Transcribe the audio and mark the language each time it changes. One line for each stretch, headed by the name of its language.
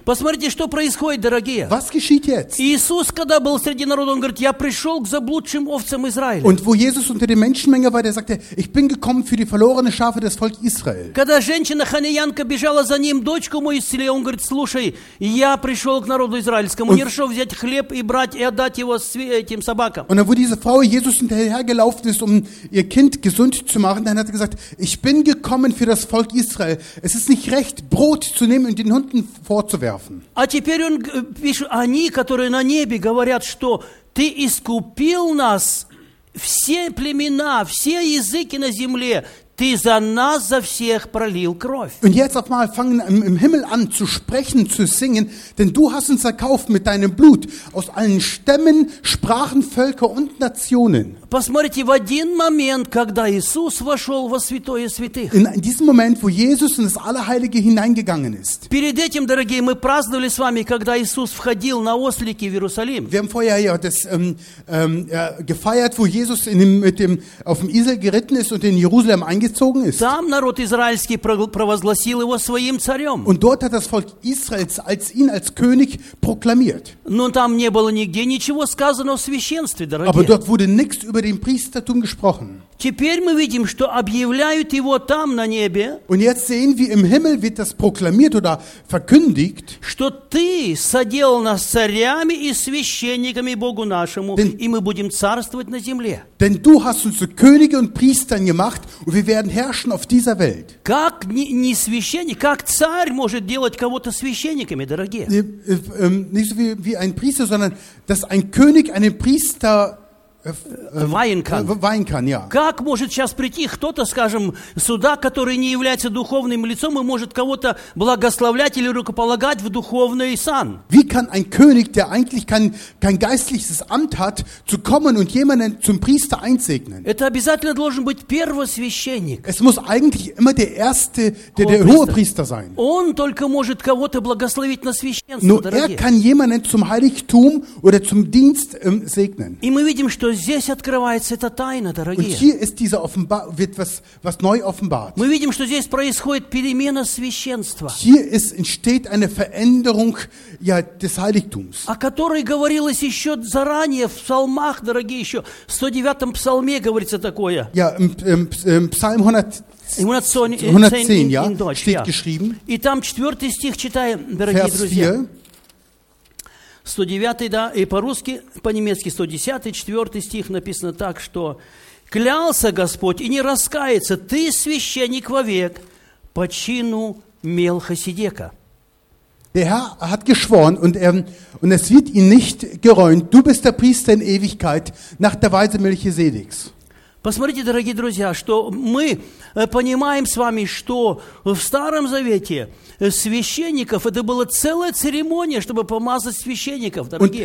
Russian: Посмотрите, что происходит, дорогие.
German: Was geschieht jetzt?
Russian: Иисус, когда был среди народа, он говорит, я пришел к заблудшим овцам Израиля.
German: Und wo Jesus unter der Menschenmenge war, der sagte, ich bin gekommen für die verlorene Schafe des Volkes Israel.
Russian: Когда женщина Ханиянка бежала за ним, дочку мою исцелила, он говорит, слушай, я пришел к народу израильскому, не решил взять хлеб и брать и отдать его этим собакам.
German: Und dann, wo diese Frau Jesus hinterhergelaufen ist, um ihr Kind gesund zu machen, dann hat er gesagt, ich bin gekommen für das Volk Israel. Israel. Es ist nicht recht, Brot zu nehmen und den Hunden vorzuwerfen.
Russian: А теперь он пишет, они, которые на небе, говорят, что ты искупил нас, все племена, все языки на земле, ты за нас, за всех пролил кровь.
German: Und jetzt auf einmal fangen im Himmel an zu sprechen, zu singen, denn du hast uns erkauft mit deinem Blut aus allen Stämmen, Sprachen, Völker und Nationen.
Russian: Посмотрите, в один момент, когда Иисус вошел во святое святых.
German: In diesem Moment, wo Jesus in das Allerheilige hineingegangen ist.
Russian: Перед этим, дорогие, мы праздновали с вами, когда Иисус входил на ослике в Иерусалим.
German: Wir haben vorher ja das gefeiert, wo Jesus auf dem Esel geritten ist und in Jerusalem eingezogen ist.
Russian: Там народ израильский провозгласил его своим царем.
German: Und dort hat das Volk Israels als ihn als König proklamiert.
Russian: Но там не было нигде ничего сказано о священстве, дорогие.
German: Aber dort wurde nichts über den Priestertum gesprochen.
Russian: Теперь мы видим, что объявляют его там на небе.
German: Und jetzt sehen wir, im Himmel wird das proklamiert oder verkündigt,
Russian: что ты соделал нас царями и священниками Богу нашему, и мы будем царствовать на земле.
German: Denn du hast uns zu Könige und Priestern gemacht und wir werden herrschen auf dieser Welt.
Russian: Как не священник, как царь может делать кого-то священниками, дорогие?
German: Nicht so wie ein Priester, sondern dass ein König einen Priester Weinkan, ja.
Russian: Как может сейчас прийти кто-то, скажем, сюда, который не является духовным лицом и может кого-то благословлять или рукополагать в духовный сан?
German: Wie kann ein König, der eigentlich kein geistliches Amt hat, zu kommen und jemanden zum Priester einsegnen?
Russian: Это обязательно должен быть первосвященник.
German: Es muss eigentlich immer der erste, der Hohepriester sein.
Russian: Он только может кого-то благословить на священство,
German: Nur
Russian: дорогие.
German: Er kann jemanden zum Heiligtum oder zum Dienst segnen.
Russian: И мы видим, что здесь открывается эта тайна, дорогие.
German: Und hier ist diese wird was neu offenbart.
Russian: Мы видим, что здесь происходит перемена священства.
German: Hier entsteht eine Veränderung ja, des Heiligtums.
Russian: О которой говорилось еще заранее в псалмах, дорогие, еще в 109-м псалме говорится такое.
German: Ja, im Psalm 110 steht geschrieben.
Russian: И там 4 стих читаем, дорогие
German: Vers
Russian: друзья.
German: 4.
Russian: 109, да, и по-русски, по-немецки 110, 4 стих написано так, что «Клялся Господь и не раскается, ты священник вовек по чину Мелхиседека».
German: Der Herr hat geschworen und es wird ihn nicht geräumt, du bist der Priester in Ewigkeit nach der Weise Мелхиседекс.
Russian: Посмотрите, дорогие друзья, что мы понимаем с вами, что в Старом Завете священников это была целая церемония, чтобы помазать священников, дорогие.